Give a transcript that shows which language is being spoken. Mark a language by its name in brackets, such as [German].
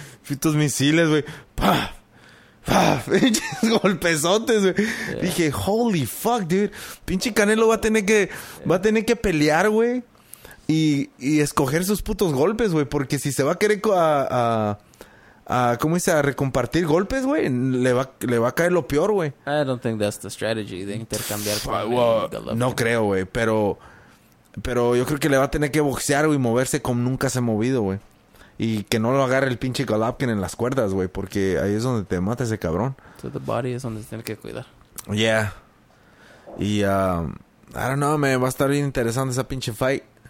[Spanish] Fitos misiles, güey. Pa, pa, pinches golpesotes, güey. [English] Yeah. [Spanish] Dije, [English] holy fuck, dude. [Spanish] Pinche Canelo va a tener que, va a tener que pelear, güey. Y escoger sus putos golpes, güey. Porque si se va a querer a ¿cómo dice? A recompartir golpes, güey. Le va a caer lo peor, güey. [English] I don't think that's the strategy [Spanish] de intercambiar con no creo, güey. Pero yo creo que le va a tener que boxear, güey. Moverse como nunca se ha movido, güey. Y que no lo agarre el pinche Golovkin en las cuerdas, güey. Porque ahí es donde te mata ese cabrón. [English] So the body [Spanish] es donde se tiene que cuidar. [English] Yeah. [Spanish] Y, [English] I don't know, man. [Spanish] Va a estar bien interesante esa pinche fight.